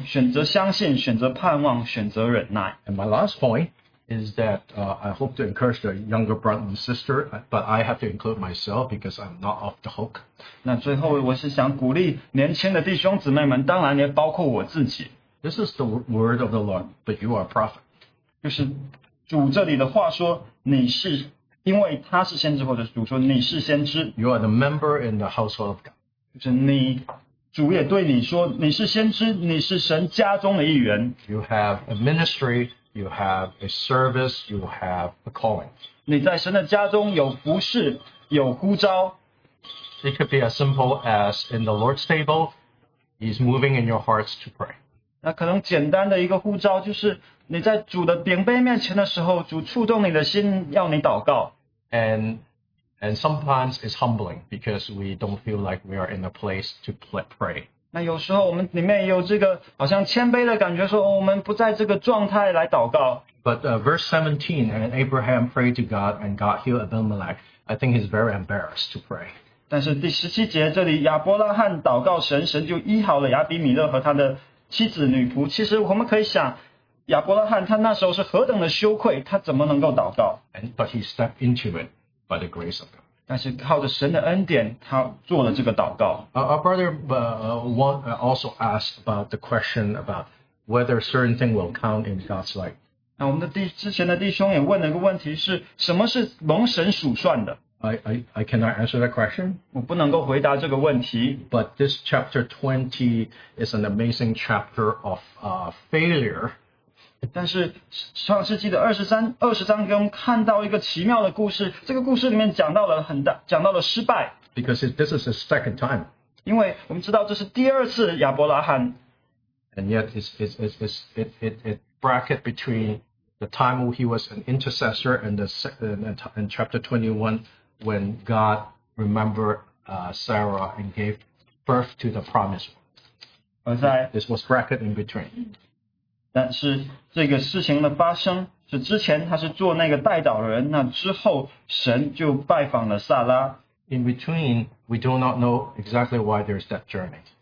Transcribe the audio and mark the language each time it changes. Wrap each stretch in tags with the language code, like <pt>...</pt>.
<zh>那我想弟兄姊妹，这也是我们每一日生命中的经历的一个选择，你是否选择包容，选择相信，选择盼望，选择忍耐。</zh> <en>And my last point is that I hope to encourage the younger brother and sister, but I have to include myself because I'm not off the hook.</en> <zh>那最后我是想鼓励年轻的弟兄姊妹们，当然也包括我自己。</zh> <en>This is the word of the Lord, but you are a prophet.</en> <zh>就是主这里的话说，你是因为他是先知，或者主说你是先知。</zh> <en>You are the member in the household of God.</en> <zh>就是你，主也对你说，你是先知，你是神家中的一员。</zh> <en>You have a ministry you have a service, you have a calling.</en> <zh>你在神的家中有服事，有呼召。</zh> <en>It could be as simple as in the Lord's table, He's moving in your hearts to pray.</en> <zh>那可能简单的一个呼召就是你在主的饼杯面前的时候，主触动你的心，要你祷告。</zh> <en>And sometimes it's humbling because we don't feel like we are in a place to pray.</en> <zh>那有时候我们里面有这个好像谦卑的感觉，说我们不在这个状态来祷告。</zh> <en>But verse 17, and Abraham prayed to God, and God healed Abimelech. I think he's very embarrassed to pray.</en> <zh>但是第十七节这里亚伯拉罕祷告神，神就医好了亚比米勒和他的妻子女仆。其实我们可以想，亚伯拉罕他那时候是何等的羞愧，他怎么能够祷告？</zh> <en>But he stepped into it by the grace of God.</en> <zh>但是靠着神的恩典，他做了这个祷告。</zh> <en>Our brother also asked about the question about whether certain things will count in God's light.</en> <zh>那我们的之前的弟兄也问了一个问题，是什么是蒙神数算的？</zh> <en>I cannot answer that question.</en> <zh>我不能够回答这个问题。</zh> <en>But this chapter 20 is an amazing chapter of failure.</en> <zh>但是创世纪的二十章给我们看到一个奇妙的故事。这个故事里面讲到了失败。</zh> <en>Because this is the second time.</en> <zh>因为我们知道这是第二次亚伯拉罕。</zh> <en>And yet it bracket between the time when he was an intercessor and the in chapter 21. When God remembered Sarah and gave birth to the promise. This was bracket in between.</en> <zh>但是这个事情的发生是之前他是做那个代祷人，那之后神就拜访了撒拉。</zh> <en>In between, we do not know exactly why there's that journey.</en>